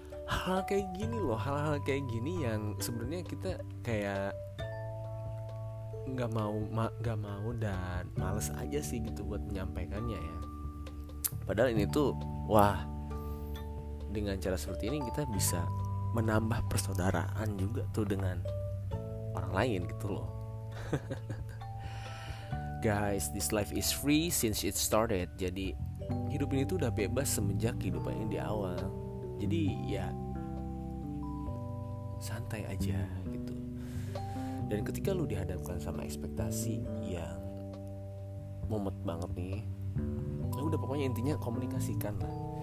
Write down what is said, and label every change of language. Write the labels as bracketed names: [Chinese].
[Indonesian] Hal-hal kayak gini loh, hal-hal kayak gini yang sebenarnya kita kayak gak mau dan males aja sih gitu buat menyampaikannya ya. Padahal ini tuh, wah, dengan cara seperti ini kita bisa menambah persaudaraan juga tuh dengan orang lain gitu loh. [English] Guys, this life is free since it started. [Indonesian] Jadi hidup ini tuh udah bebas semenjak kehidupan ini di awal. Jadi ya santai aja gitu. Dan ketika lu dihadapkan sama ekspektasi yang mumet banget nih, lu udah pokoknya intinya komunikasikan lah.